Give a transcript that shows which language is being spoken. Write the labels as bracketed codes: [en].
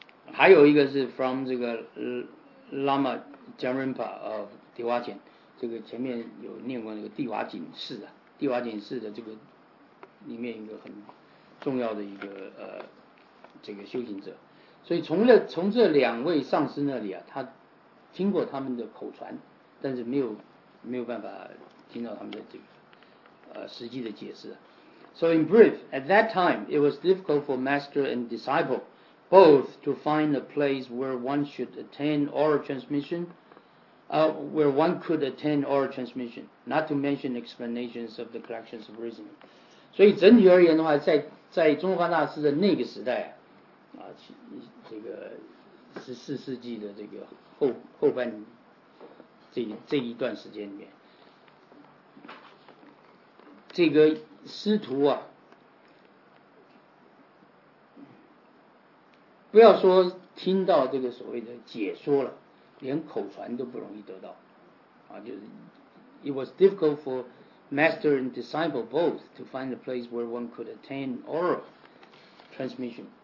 [zh] 还有一个是 [en] from [zh] 这个 Lama Jamrenpa of 地瓦井，这个前面有念过那个地瓦井寺啊，地瓦井寺的这个里面一个很重要的一个这个修行者，所以从这两位上师那里啊，他听过他们的口传，但是没有办法听到他们的这个实际的解释。 [en] So in brief, at that time, it was difficult for master and disciple. Both to find a place where one should attain oral transmission, where one could attain oral transmission, not to mention explanations of the collections of reasoning. [zh] 所以整体而言的话，在中华大师的那个时代啊，这个14世纪的这个后半这一段时间里面，这个师徒啊。不要说听到这个所谓的解说了，连口传都不容易得到啊！就是 [en] It was difficult for master and disciple both to find a place where one could attain oral transmission.